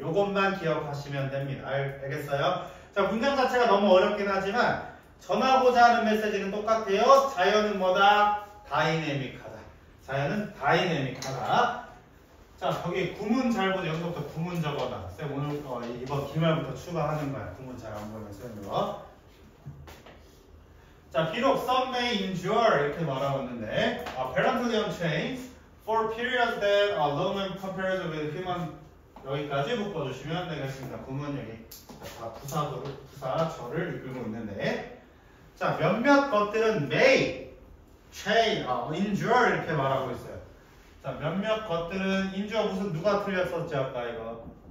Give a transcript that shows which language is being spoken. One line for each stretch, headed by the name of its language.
Korean: 요것만 기억하시면 됩니다. 알겠어요? 자, 문장 자체가 너무 어렵긴 하지만 전하고자 하는 메시지는 똑같아요. 자연은 뭐다? 다이내믹하다. 자연은 다이내믹하다. 자, 거기 구문 잘 보세요. 여기서부터 구문 적어놔. 쌤, 오늘, 이번 기말부터 추가하는 거야. 구문 잘 안 보면 쌤으로. 자, 비록
English: some may endure
Korean: 이렇게 말하고 있는데,
English: apparently unchanged for periods that are long and compared with human.
Korean: 여기까지 묶어주시면 되겠습니다. 구문 여기. 자, 부사절을 이끌고 있는데. 자, 몇몇 것들은 may, endure 이렇게 말하고 있어요. 자, 몇몇 것들은 인주어 무슨 누가 틀렸었지 아까 이거?